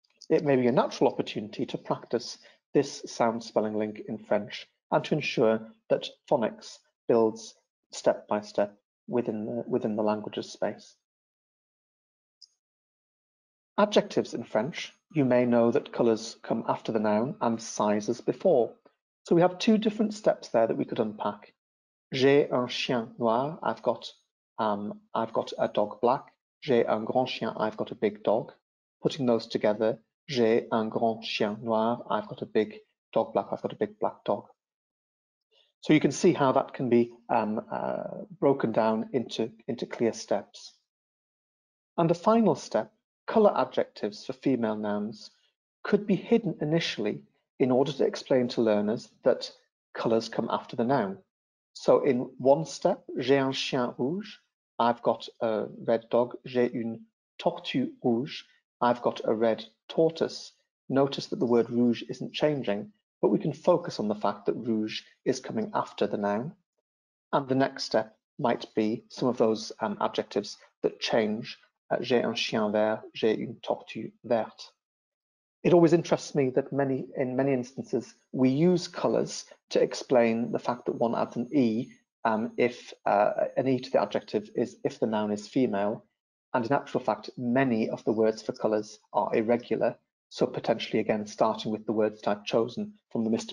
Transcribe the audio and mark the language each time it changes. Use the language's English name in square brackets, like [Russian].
[English] It may be a natural opportunity to practice this sound spelling link in French and to ensure that phonics builds step by step within the language's space. Adjectives in French, you may know that colours come after the noun and sizes before. So we have two different steps there that we could unpack. [French] J'ai un chien noir, [English] I've got a dog black. [French] J'ai un grand chien, [English] I've got a big dog. Putting those together, [French] j'ai un grand chien noir, [English] I've got a big dog black, I've got a big black dog. So you can see how that can be broken down into clear steps. And the final step, colour adjectives for female nouns could be hidden initially in order to explain to learners that colours come after the noun. So in one step, [French] j'ai un chien rouge, [English] I've got a red dog, [French] j'ai une tortue rouge, [English] I've got a red tortoise. Notice that the word rouge isn't changing, but we can focus on the fact that rouge is coming after the noun. And the next step might be some of those adjectives that change. [French] J'ai un chien vert, j'ai une tortue verte. [English] It always interests me that in many instances, we use colours to explain the fact that one adds an E, an E to the adjective is if the noun is female. And in actual fact, many of the words for colours are irregular. So potentially, again, starting with the words that I've chosen from the Mr.